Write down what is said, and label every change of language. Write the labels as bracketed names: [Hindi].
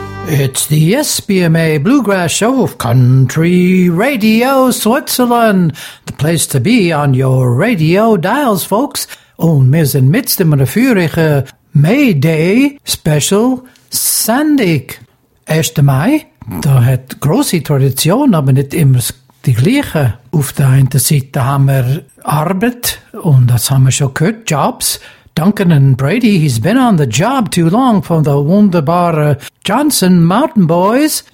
[English] It's the SBMA Bluegrass Show of Country Radio Switzerland, the place to be on your radio dials, folks. [German] Und wir sind mitten im feurigen May Day Special Sendung. 1. Mai, da hat große Tradition, aber nicht immer die gleiche. Auf der einen Seite haben wir Arbeit, und das haben wir schon gehört, Jobs. [English] Duncan and Brady, he's been on the job too long from the wunderbare Johnson Mountain Boys.